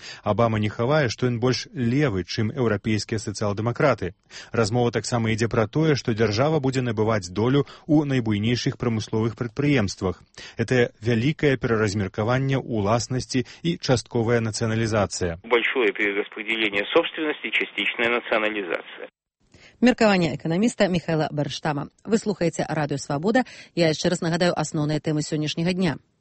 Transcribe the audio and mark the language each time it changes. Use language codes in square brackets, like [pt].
[be] Абама не хавае, што ён больш левы, чым еўрапейскія сацыял-дэмакраты. Размова таксама ідзе пра тое, што дзяржава будзе набываць долю ў найбуйнейшых прамысловых прадпрыемствах. Гэта вялікае пераразмеркаванне ўласнасці і частковая нацыяналізацыя. [ru] Большое перераспределение собственности, частичная национализация. [be] Меркаванне эканаміста Міхайла Барштама. Вы слухаеце Радыё Свабода. Я яшчэ раз нагадаю асноўныя тэмы сённяшняга дня.